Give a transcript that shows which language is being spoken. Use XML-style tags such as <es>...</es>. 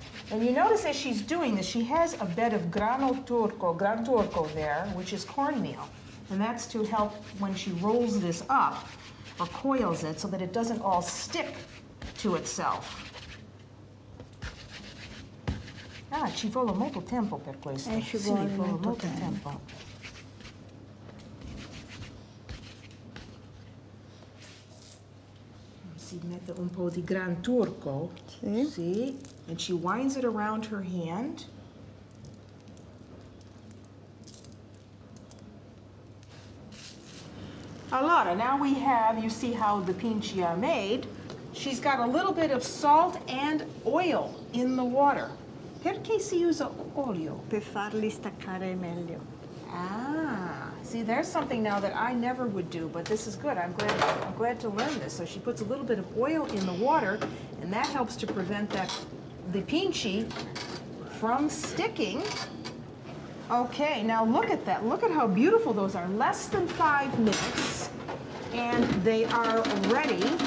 <en>And you notice as she's doing this, she has a bed of grano turco, gran turco there, which is cornmeal. And that's to help when she rolls this up or coils it so that it doesn't all stick to itself.</en> <it>Ah, ci vuole molto tempo per questo. Ci vuole, sì, vuole molto tempo. Tempo. Si mette un po' di gran turco. Sì. Sì.</it> <en>And she winds it around her hand. All</en> <it>Allora,</it> <en>now we have, you see how the pinci are made. She's got a little bit of salt and oil in the water.</en> <it>Perché si usa olio? Per farli staccare meglio.</it> <en>Ah, see, there's something now that I never would do, but this is good. I'm glad to learn this. So she puts a little bit of oil in the water, and that helps to prevent the pinci from sticking. Okay, now look at that. Look at how beautiful those are. Less than 5 minutes, and they are ready.</en>